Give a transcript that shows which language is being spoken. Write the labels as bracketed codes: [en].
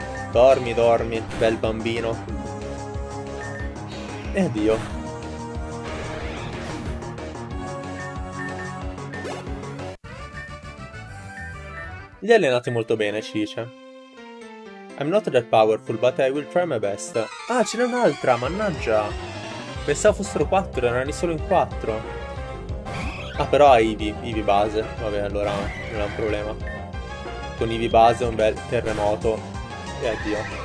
[it] Dormi, dormi, bel bambino. E addio. Gli è allenati molto bene, ci dice. [en] I'm not that powerful, but I will try my best. [it] Ah, ce n'è un'altra, mannaggia. Pensavo fossero quattro, erano solo in quattro. Ah, però ha Eevee base. Vabbè, allora non è un problema. Con Eevee base un bel terremoto. E addio.